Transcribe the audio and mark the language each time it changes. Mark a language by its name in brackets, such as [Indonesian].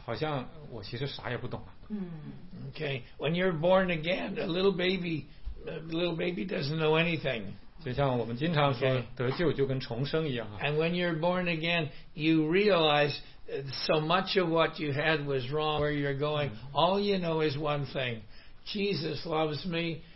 [Chinese] 我不知道你们刚成为基督徒的感觉是什么，是不是像好像我其实啥也不懂啊？Okay, [English] when you're born again, a little baby doesn't know anything. [Chinese] 就像我们经常说，得救就跟重生一样啊。Okay. [English] And when you're born again, you realize so much of what you had was wrong. Where you're going, all you know is one thing: Jesus loves me.